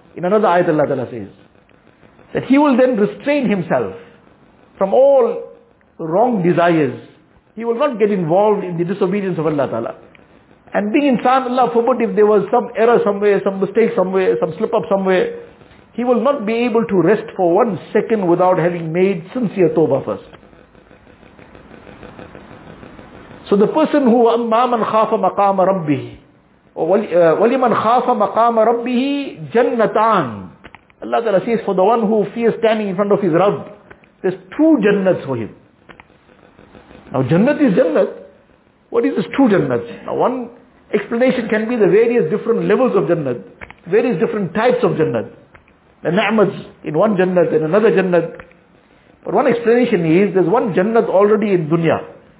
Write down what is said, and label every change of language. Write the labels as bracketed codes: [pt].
[en] In another ayat Allah Ta'ala says, that he will then restrain himself from all wrong desires. He will not get involved in the disobedience of Allah Ta'ala. And being insan, Allah forbid, if there was some error somewhere, some mistake somewhere, some slip up somewhere, he will not be able to rest for one second without having made sincere tawbah first. So the person who [ar] أَمَّا مَنْ خَافَ مَقَامَ رَبِّهِ وَلِمَنْ خَافَ مَقَامَ رَبِّهِ جَنَّتَانَ. [en] Allah Ta'ala says, for the one who fears standing in front of his Rabb, there's two jannats for him. Now jannat is jannat. What is this two jannats? Now one explanation can be the various different levels of jannat, various different types of jannat. The ni'mats in one jannat and another jannat. But one explanation is, there's one jannat already in dunya.